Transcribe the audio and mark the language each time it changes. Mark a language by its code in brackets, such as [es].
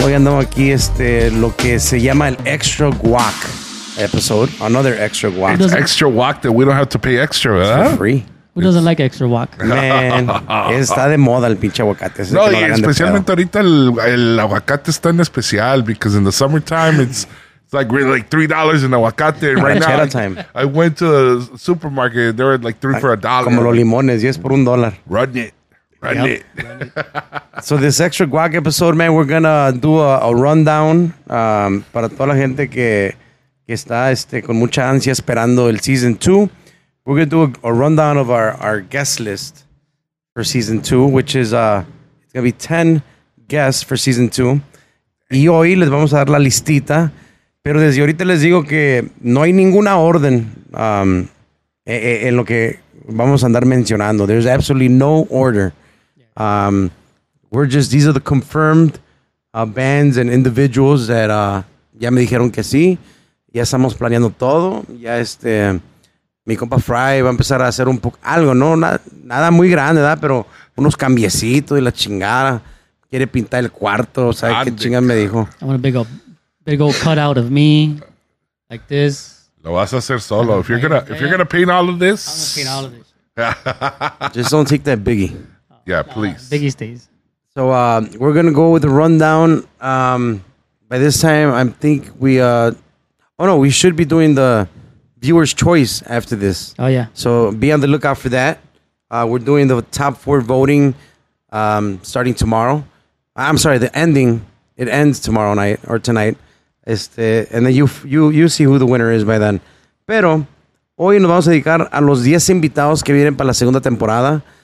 [es] Hoy andamos aquí, lo que se llama el Extra Guac episode. [en] Another Extra Guac. It's Extra Guac that we don't have to pay extra, [es] ¿verdad? [en] It's for free. Who doesn't like extra guac? [es] Man, está de moda el pinche aguacate. Es no, y especialmente ahorita el aguacate está en especial [en] because in the summertime it's like $3 in [es] aguacate. [en] Right now, I went to the supermarket and they were like three for a dollar. [es] Como los limones, y es por $1. [en] Run it. So this extra guac episode, man, we're going to do a rundown [es] para toda la gente que está con mucha ansia esperando el [en] season 2. We're going to do a rundown of our guest list for season 2, which is it's going to be 10 guests for season 2. [es] Y hoy les vamos a dar la listita, pero desde ahorita les digo que no hay ninguna orden en lo que vamos a andar mencionando. [en] There's absolutely no order. These are the confirmed bands and individuals that [es] ya me dijeron que sí. Ya estamos planeando todo. Ya mi compa Fry va a empezar a hacer un poco algo, ¿no? Nada muy grande, ¿verdad? Pero unos cambiecitos y la chingada. Quiere pintar el cuarto, ¿sabes qué chingada me dijo? [en] I want a big old cutout of me, like this. [es] Lo vas a hacer solo. [en] If you're gonna paint all of this. I'm gonna paint all of this. Just don't take that biggie. Yeah, please. Biggie stays. So we're gonna go with the rundown. By this time, I think we should be doing the viewer's choice after this. Oh yeah. So be on the lookout for that. We're doing the top four voting starting tomorrow. I'm sorry, the ending. It ends tomorrow night or tonight. And then you see who the winner is by then. [es] Pero hoy nos vamos a dedicar a los 10 invitados que vienen para la segunda temporada.